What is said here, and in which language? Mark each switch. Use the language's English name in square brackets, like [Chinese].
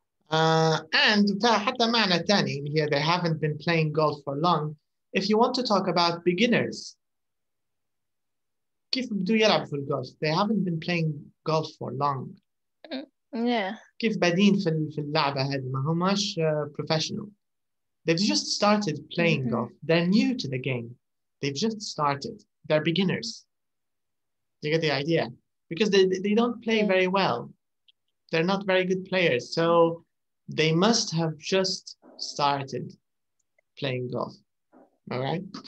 [English] And [Arabic] حتى معنى ثاني [English] here, they haven't been playing golf for long. If you want to talk about beginners, [Arabic] كيف بدو يلعب في الجولف؟ [English] They haven't been playing golf for long. Yeah. [Arabic] كيف بادين في اللعبة هذه؟ ما هماش professional. [English] They've just started playing golf. They're new to the game. They've just started. They're beginners. You get the idea? Because they don't play very well. They're not very good players. So they must have just started playing golf. All right?